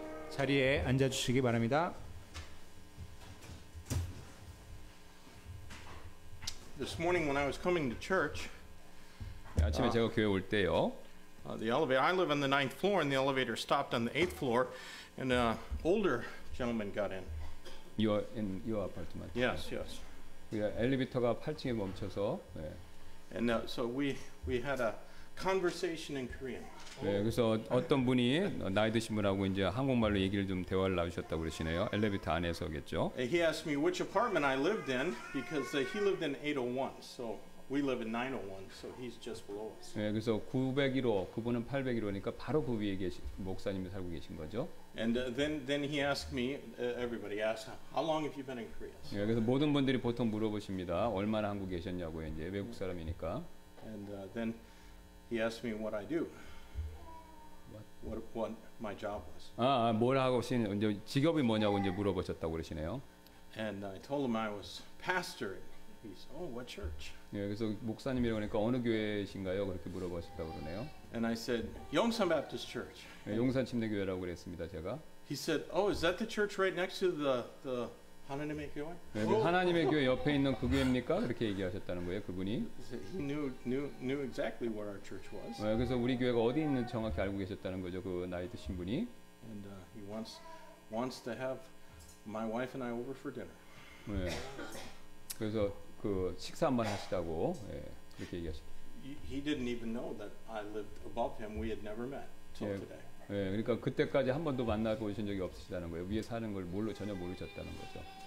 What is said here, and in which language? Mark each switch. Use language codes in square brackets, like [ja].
[ko] 자리에 앉아주시기 바랍니다. [en] This morning when I was coming to church, [ko] 아침에 제가 교회 올 때요. [en] The elevator, I live on the 9th floor and the elevator stopped on the 8th floor and an older gentleman got in. You are in your apartment. Yes, yes. [ko] 우리가 엘리베이터가 8층에 멈춰서 네. [en] And so we had a conversation in Korean. [ko] 네, 그래서 어떤 분이 나이 드신 분하고 이제 한국말로 얘기를 좀 대화를 나누셨다고 그러시네요. 엘리베이터 안에서겠죠. [en] He asked me which apartment I lived in because he lived in 801. So we live in 901. So he's just below us. [ko] 네, 그래서 901호, 그분은 801호니까 바로 그 위에 계신 목사님이 살고 계신 거죠. [en] And then he asked me, everybody asked, how long have you been in Korea? [ko] 네, 그래서 모든 분들이 보통 물어보십니다. 얼마나 한국에 계셨냐고 이제 외국 사람이니까. [en] And then he asked me what I do. What my job was. [ko] 아, 뭘 하고 계신 이제 직업이 뭐냐고 이제 물어보셨다고 그러시네요. [en] And I told him I was pastor. He said, "Oh, what church?" [ko] 예, 그래서 목사님이라고 그러니까 어느 교회이신가요? 그렇게 물어보셨다고 그러네요. [en] And I said, "Yongsan Baptist Church." [ko] 예, 용산 침례교회라고 그랬습니다, 제가. [en] He said, "Oh, is that the church right next to the 하나님의 교회?" [ko] 예, 그 하나님의 교회 옆에 있는 그 교회입니까? 그렇게 얘기하셨다는 거예요, 그분이. [en] He knew exactly where our church was. [ko] 예, 그래서 우리 교회가 어디 있는지 정확히 알고 계셨다는 거죠, 그 나이 드신 분이. [en] And he wants to have my wife and I over for dinner. [ko] 예. 그래서 그 식사 한번 하시다고 예, 그렇게 얘기하셨다. [en] He didn't even know that I lived above him. We had never met till today. [ko] 예, 그러니까 그때까지 한 번도 만나보신 적이 없으시다는 거예요. 위에 사는 걸 몰로 전혀 모르셨다는 거죠.